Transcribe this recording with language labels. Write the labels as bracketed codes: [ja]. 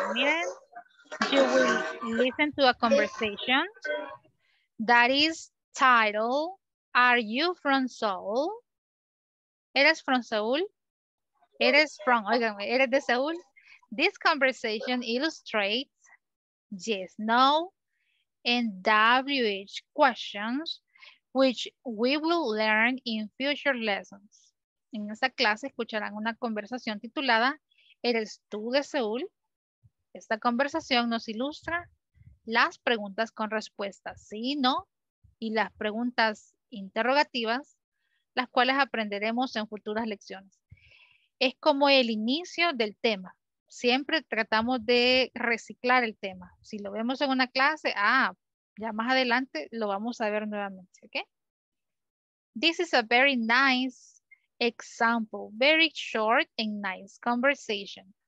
[es] Miren, [en] you will listen to a conversation that is titled, Are you from Seoul? [es] ¿Eres [en] from Seoul? [es] ¿Eres [en] from, [es] oiganme, eres de [en] Seoul? This conversation illustrates yes, no, and WH questions, which we will learn in future lessons. [es] En esta clase escucharán una conversación titulada ¿Eres tú de Seúl? Esta conversación nos ilustra las preguntas con respuestas sí y no y las preguntas interrogativas, las cuales aprenderemos en futuras lecciones. Es como el inicio del tema. Siempre tratamos de reciclar el tema. Si lo vemos en una clase, ya más adelante lo vamos a ver nuevamente, ¿okay? [en] This is a very nice example, very short and nice conversation.